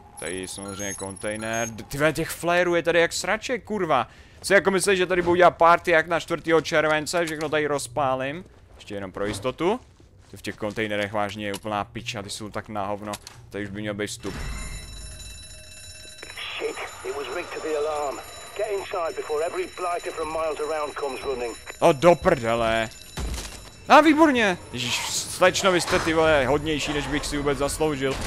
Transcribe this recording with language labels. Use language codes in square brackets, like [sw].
[cs] Tady samozřejmě kontejner, tyhle těch flérů je tady jak sraček, kurva. Jsi jako myslel, že tady budu dělat party jak na 4. července, všechno tady rozpálím. Ještě jenom pro jistotu. To v těch kontejnerech vážně je úplná piča, ty jsou tak na hovno, tady už by měl být vstup. [en] It was rigged to the alarm. Get inside before every blighter from miles around comes running. [cs] O, do prdele. A výborně. Ježiš, slečno, vy jste ty vole hodnější, než bych si vůbec zasloužil.